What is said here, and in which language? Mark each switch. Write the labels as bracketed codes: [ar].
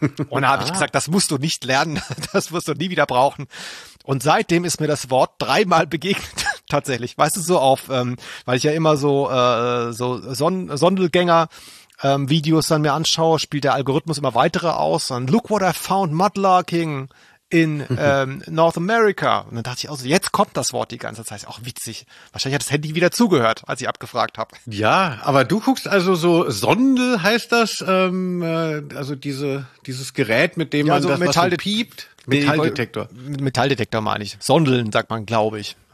[de] Und da habe ich gesagt, das musst du nicht lernen, das wirst du nie wieder brauchen. Und seitdem ist mir das Wort dreimal begegnet. Tatsächlich, weißt du, so auf, weil ich ja immer so, so Sondelgänger Videos dann mir anschaue, spielt der Algorithmus immer weitere aus. Und [en] look what I found, mudlarking in North America. [de] Und dann dachte ich auch so, jetzt kommt das Wort die ganze Zeit. Auch witzig. Wahrscheinlich hat das Handy wieder zugehört, als ich abgefragt habe. Ja, aber du guckst also so, Sonde heißt das, also dieses Gerät, mit dem ja, man so das, was so piept. Metalldetektor. Metalldetektor meine ich. Sondeln, sagt man, glaube ich.